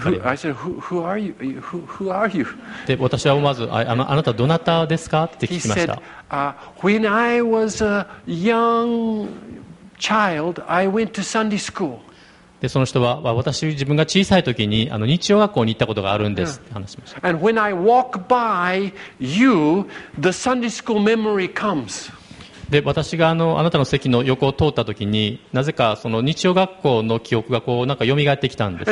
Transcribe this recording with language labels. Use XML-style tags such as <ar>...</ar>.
<ja>聞かれました。</ja> <en>I said, who are you?</en> <ja>で、私は思わず、あなたどなたですか？って聞きました。</ja> <en>He said, when I was a young child, I went to Sunday school.</en> <ja>で、その人は、私、自分が小さい時に日曜学校に行ったことがあるんですって話しました。</ja> <en>And when I walk by you, the Sunday school memory comes.</en> <ja>で、私があなたの席の横を通った時に、なぜかその日曜学校の記憶がこうなんか蘇ってきたんです。</ja>